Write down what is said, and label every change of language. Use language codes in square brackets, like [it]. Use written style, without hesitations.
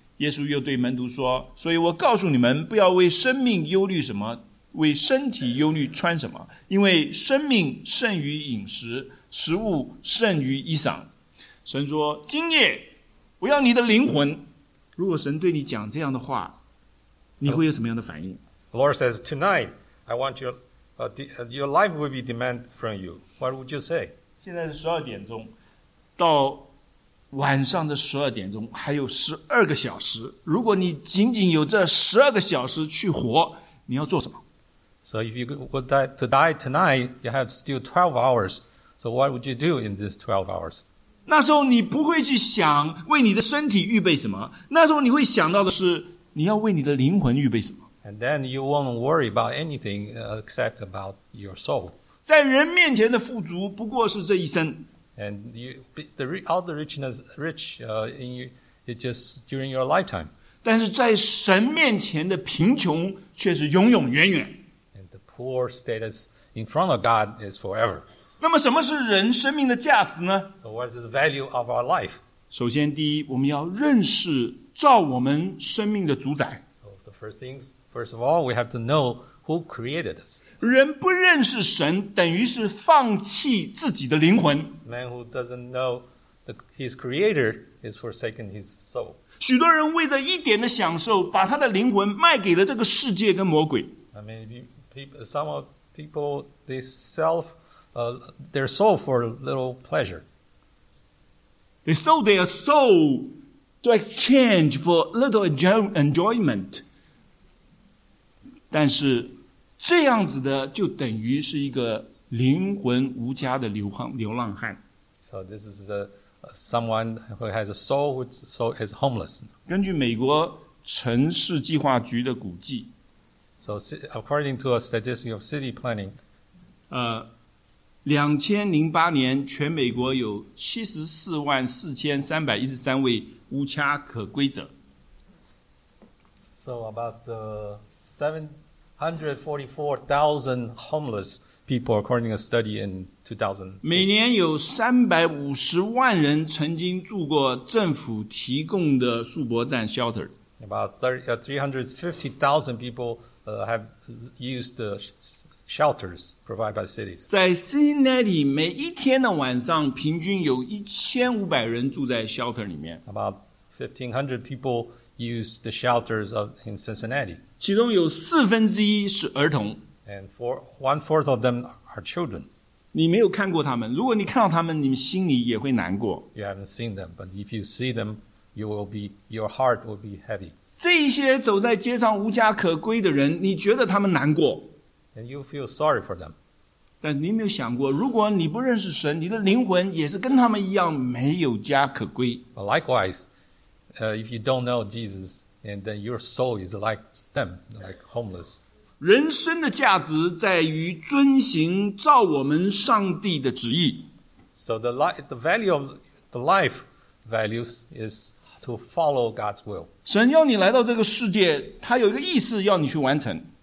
[zh] 耶稣又对门徒说，所以我告诉你们，不要为生命忧虑什么，为身体忧虑穿什么，因为生命胜于饮食，食物胜于衣裳。神说，今夜我要你的灵魂。如果神对你讲这样的话，你会有什么样的反应？ [en] Lord says, tonight I want your life will be demanded from you. What would you say? [zh] 现在是十二点钟，到晚上的十二点钟还有十二个小时，如果你仅仅有这十二个小时去活，你要做什么？ [en] So if you would die to die tonight, you have still 12 hours. So what would you do in these 12 hours? [zh] 那时候你不会去想为你的身体预备什么，那时候你会想到的是你要为你的灵魂预备什么。 [en] And then you won't worry about anything except about your soul. [zh] 在人面前的富足不过是这一生。 [en] And you, the, all the richness, rich, in you, it just during your lifetime. [zh] 但是在神面前的贫穷却是永永远远。 [en] And the poor status in front of God is forever. [zh] 那么什么是人生命的价值呢？ [en] So what is the value of our life? [zh] 首先第一，我们要认识造我们生命的主宰。 [en] So the first things, first of all, we have to know who created us. [zh] 人不认识神，等于是放弃自己的灵魂。 [en] Man who doesn't know the, his creator is forsaken his soul. [zh] 许多人为了一点的享受，把他的灵魂卖给了这个世界跟魔鬼。 [en] I mean, people, some people they sell, their soul for a little pleasure. They sold their soul to exchange for little enjoyment. [zh] 但是。这样子的就等于是一个灵魂无家的流浪汉。 [en] So this is a someone who has a soul whose soul is homeless. [zh] 根据美国城市计划局的估计 [en] ，So according to a statistic of city planning, [zh] 2008年全美国有744,313位无家可归者。 [en] So about the 744,000 homeless people, according to a study in 2000. [zh] 每年有350万人曾经住过政府提供的宿泊站 shelter. [en] About 350,000 people have used the shelters provided by cities. [zh] 在 Cincinnati, 每一天的晚上平均有1,500人住在 shelter 里面。 [en] About 1,500 people use the shelters of in Cincinnati. [zh] 其中有四分之一是儿童 [en] ，and for one fourth of them are children. [zh] 你没有看过他们，如果你看到他们，你们心里也会难过。 [en] You haven't seen them, but if you see them, you will be your heart will be heavy. [zh] 这些走在街上无家可归的人，你觉得他们难过 [en] ？And you feel sorry for them. [zh] 但你没有想过，如果你不认识神，你的灵魂也是跟他们一样没有家可归。 [en] But likewise, if you don't know Jesus. And then your soul is like them, like homeless. [zh] 人生的价值在于遵行造我们上帝的旨意。 [en] So the value of the life values is to follow God's will. [zh] 神要你来到这个世界，他有一个意思要你去完成。